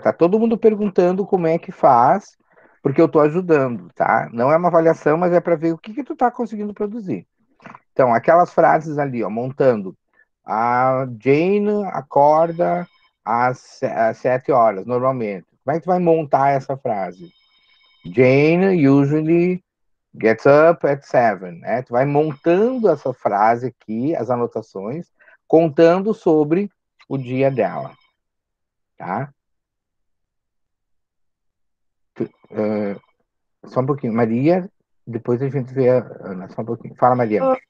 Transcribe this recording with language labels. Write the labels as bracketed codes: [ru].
[pt] Tá todo mundo perguntando como é que faz, porque eu tô ajudando, tá? Não é uma avaliação, mas é para ver o que que tu tá conseguindo produzir. Então, aquelas frases ali, ó, montando. A Jane acorda às 7 horas, normalmente. Como é que tu vai montar essa frase? [en] Jane usually gets up at 7, né? [pt] Tu vai montando essa frase aqui, as anotações, contando sobre o dia dela, tá? Só um pouquinho, Maria, depois a gente vê a Ana, só um pouquinho. Fala, Maria.